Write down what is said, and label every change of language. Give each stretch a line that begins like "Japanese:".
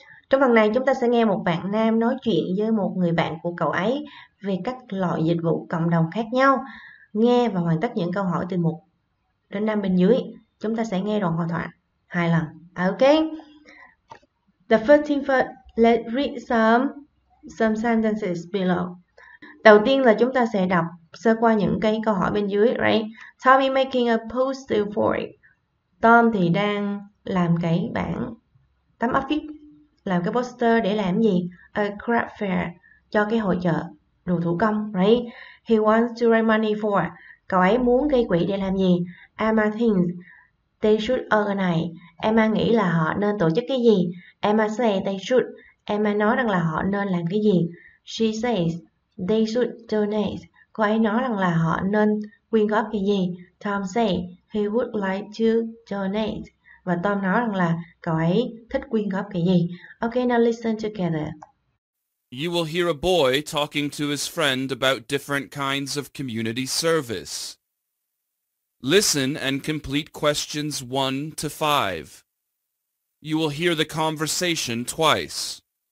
Vietnamese: Trong phần này chúng ta sẽ nghe một bạn nam nói chuyện với một người bạn của cậu ấy về các loại dịch vụ cộng đồng khác nhau. Nghe và hoàn tất những câu hỏi từ 1 đến 5 bên dưới. Chúng ta sẽ nghe đoạn hội thoại 2 lần.
English: Okay. The first thing first, let's read some sentences below.
Vietnamese: Đầu tiên là chúng ta sẽ đọc sơ qua những cái câu hỏi bên dưới, right?
English: Tommy making a poster for it.
Vietnamese: Tom thì đang làm cái bảng tấm áp phích, làm cái poster để làm gì?
English: A craft fair,
Vietnamese: cho cái hội chợ đồ thủ công, right?
English: He wants to raise money for.
Vietnamese: Cậu ấy muốn gây quỹ để làm gì?
English: Emma thinks they should organize.
Vietnamese: Emma nghĩ là họ nên tổ chức cái gì?
English: Emma say they should.
Vietnamese: Emma nói rằng là họ nên làm cái gì?
English: She says they should donate.
Vietnamese: Cô ấy nói rằng là họ nên quyên góp cái gì?
English: Tom say he would like to donate.
Vietnamese: Và Tom nói rằng là cậu ấy thích quyên góp cái gì?
English: Okay, now listen together. You will hear a boy talking to his friend about different kinds of community service. Listen and complete questions 1 to 5. You will hear the conversation twice.